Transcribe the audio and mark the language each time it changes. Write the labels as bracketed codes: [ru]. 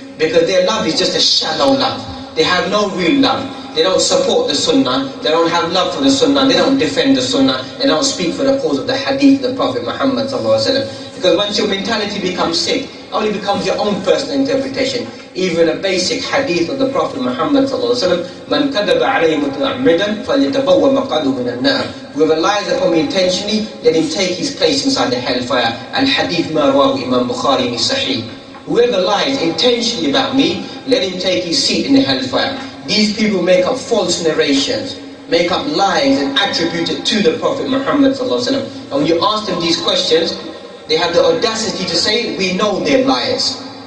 [en] Because their love is just a shallow love. They have no real love. They don't support the sunnah, they don't have love for the sunnah, they don't defend the sunnah, they don't speak for the cause of the hadith of the Prophet Muhammad ﷺ. Because once your mentality becomes sick, it only becomes your own personal interpretation. Even a basic hadith of the Prophet Muhammad ﷺ, [ar] مَنْ كَدَبَ عَلَيْهِ مُتْنَعْمِدًا فَلْيَتَبَوَّ مَقَدُهُ مِنَ النَّارِ. [en] Whoever lies upon me intentionally, let him take his place inside the hellfire. [ar] Al-hadith مَا رَوَى إِمَامُ بُخَارِي مِنْ صَحِيحٍ. [en] Whoever lies intentionally about me, let him take his seat in the hellfire. These people make up false narrations, make up lies and attribute it to the Prophet Muhammad ﷺ. And when you ask them these questions, they have the audacity to say, we know they're liars.